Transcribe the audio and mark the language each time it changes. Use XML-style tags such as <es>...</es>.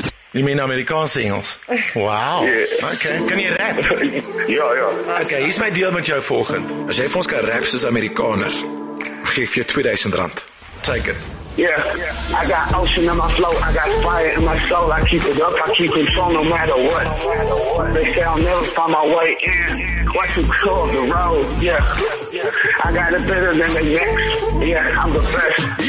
<en>You mean</en> <af>Amerikaanse Engels?</af> <en>Wow. Yeah.</en> <af>Okay, kan jy rap? Ja. Okay, hier is my deal met jou volgend. As jy vir ons kan rap soos Amerikaner, geef jy R2000.</af> <en>Take it. Yeah. I got ocean in my flow, I got fire in my soul, I keep it up, I keep it strong no matter what. They say I'll never find my way in, watch me cross the road, yeah. I got it better than the next, yeah, I'm the best.</en>